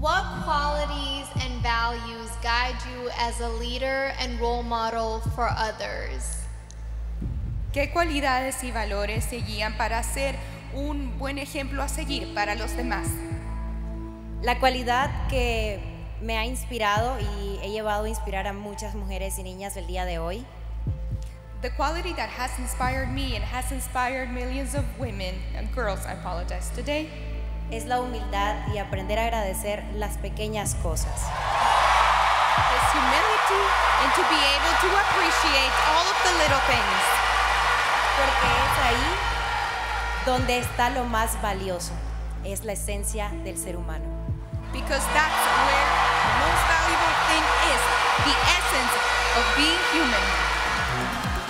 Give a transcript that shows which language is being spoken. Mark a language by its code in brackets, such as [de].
[en] What qualities and values guide you as a leader and role model for others? [es] ¿Qué cualidades y valores te guían para ser un buen ejemplo a seguir para los demás? La cualidad que me ha inspirado y he llevado a inspirar a muchas mujeres y niñas el día de hoy. [en] The quality that has inspired me and has inspired millions of women and girls, I apologize, today. [es] Es la humildad y aprender a agradecer las pequeñas cosas. [en] It's humility and to be able to appreciate all of the little things. [es] Porque es ahí donde está lo más valioso. Es la esencia del ser humano. [en] Because that's where the most valuable thing is, the essence of being human.